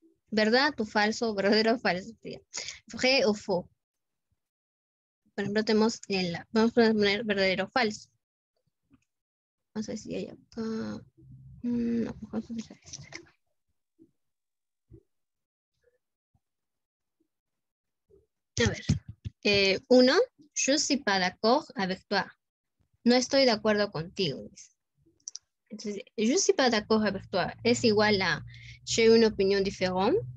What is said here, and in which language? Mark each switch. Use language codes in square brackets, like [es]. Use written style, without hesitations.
[es] ¿Verdad o falso? ¿Verdadero o falso? [fr] ¿Vrai o faux? [es] Por ejemplo, tenemos el, vamos a poner verdadero o falso, vamos a ver si hay acá, no, vamos a utilizar este. A ver, uno, [fr] je suis pas d'accord avec toi. [es] No estoy de acuerdo contigo. [fr] Entonces, je suis pas d'accord avec toi [es] es igual a [fr] j'ai une opinion différente.